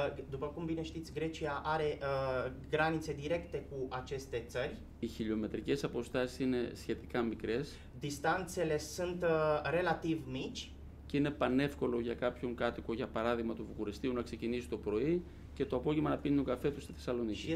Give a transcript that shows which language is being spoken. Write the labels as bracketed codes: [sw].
[ro] După cum bine știți, Grecia are granițe directe cu aceste țări. [el] Οι χιλιομετρικές αποστάσεις είναι σχετικά μικρές. [ro] Distanțele sunt relativ mici. [el] Και είναι πανεύκολο για κάποιον κάτοικο, για παράδειγμα του Βουκουρεστίου, να ξεκινήσει το πρωί και το απόγευμα να πίνει τον καφέ του στη Θεσσαλονίκη.